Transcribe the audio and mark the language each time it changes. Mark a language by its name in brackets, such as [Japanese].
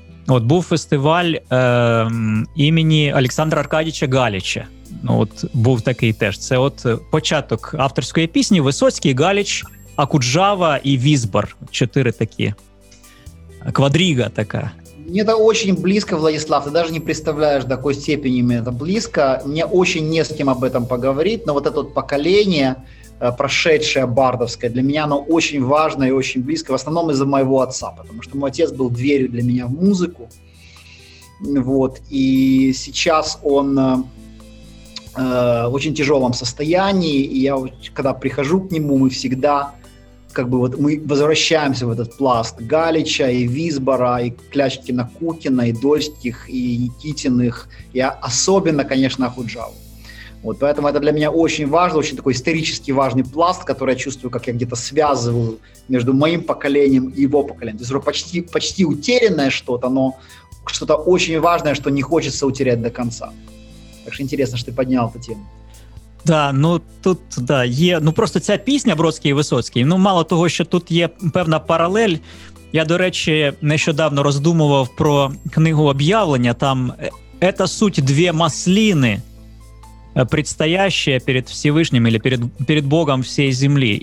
[Ukrainian] От був фестиваль імені Олександра Аркадійовича Галіча. От був такий теж. Це от початок авторської пісні. Висоцький, Галіч, Акуджава і Візбор. Чотири такі. Квадрига така. Мені це очень близько, Владислав. Ти даже не представляєш, до якої степені мені це близько. Мені очень не з ким [Russian] об этом поговорити, но вот это вот поколение, прошедшее бардовское, для мене оно очень важно и очень близко, в основном из-за моего отца, потому что мой отец был дверью для меня в музыку. Вот. И сейчас он в очень тяжелом состоянии, и я когда прихожу к нему, мы всегда как бы вот мы возвращаемся в этот пласт Галича и Визбора, и Клячкина Кукина, и Дольских, и Никитиных, и особенно, конечно, Акуджаву. Вот, поэтому это для меня очень важно, очень такой исторически важный пласт, который я чувствую, как я где-то связываю между моим поколением и его поколением. То есть почти утерянное что-то, но что-то очень важное, что не хочется утерять до конца. Так что интересно, что ты поднял эту тему. [Ukrainian] Да, ну тут да, є. Ну просто ця пісня «Бродський і Висоцький». Ну, мало того, що тут є певна паралель. Я, до речі, нещодавно роздумував про книгу «Об'явлення». Там «Это суть дві масліни, предстоящие перед Всевышнім или перед Богом всей землі».